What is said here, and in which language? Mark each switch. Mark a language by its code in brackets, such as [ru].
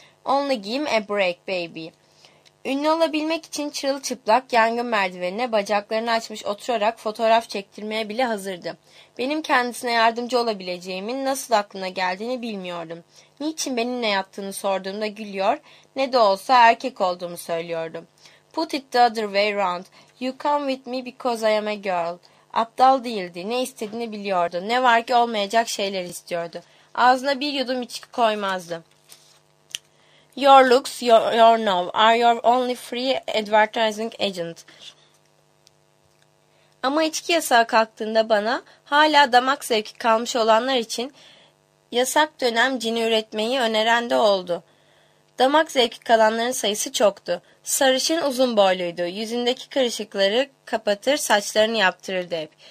[en] Only give a break, baby. [tr] Ünlü olabilmek için çırılçıplak yangın merdivenine bacaklarını açmış oturarak fotoğraf çektirmeye bile hazırdı. Benim kendisine yardımcı olabileceğimin nasıl aklına geldiğini bilmiyordum. Niçin benimle yattığını sorduğumda gülüyor, ne de olsa erkek olduğumu söylüyordum. [en] Put it the other way round. You come with me because I am a girl. [tr] Aptal değildi, ne istediğini biliyordu, ne var ki olmayacak şeyler istiyordu. Ağzına bir yudum içki koymazdı. [en] Your looks, your now, are your only free advertising agent. [tr] Ama içki yasağı kalktığında bana hala damak zevki kalmış olanlar için yasak dönem cini üretmeyi öneren de oldu. Damak zevki kalanların sayısı çoktu. Sarışın uzun boyluydu. Yüzündeki kırışıkları kapatır, saçlarını yaptırırdı hep.